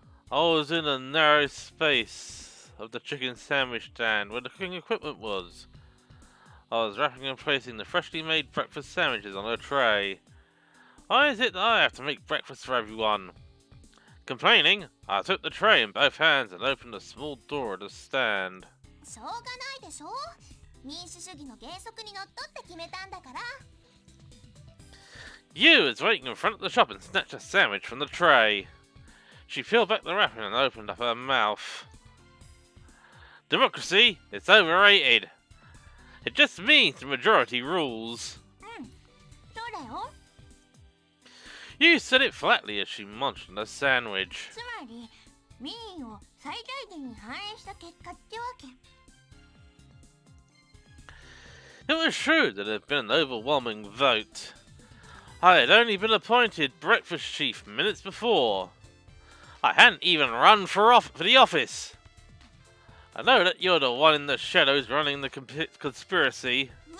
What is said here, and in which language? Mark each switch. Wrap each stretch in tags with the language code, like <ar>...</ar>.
<en>I was in a narrow space of the chicken sandwich stand where the cooking equipment was. I was wrapping and placing the freshly made breakfast sandwiches on a tray. Why is it that I have to make breakfast for everyone? Complaining, I took the tray in both hands and opened a small door at the stand.</en> <ja>しょうがないでしょ。民主主義の原則にのっとって決めたんだから。</ja> <en>Yu was waiting in front of the shop and snatched a sandwich from the tray. She peeled back the wrapping and opened up her mouth. Democracy, it's overrated. It just means the majority rules.</en> <ja>そうだよ。</ja> <en>You said it flatly as she munched on the sandwich.</en> <ja>つまり、民意を最大限に反映した結果ってわけ。</ja> <en>It was true that it had been an overwhelming vote. I had only been appointed breakfast chief minutes before. I hadn't even run for the office. I know that you're the one in the shadows running the conspiracy.</en>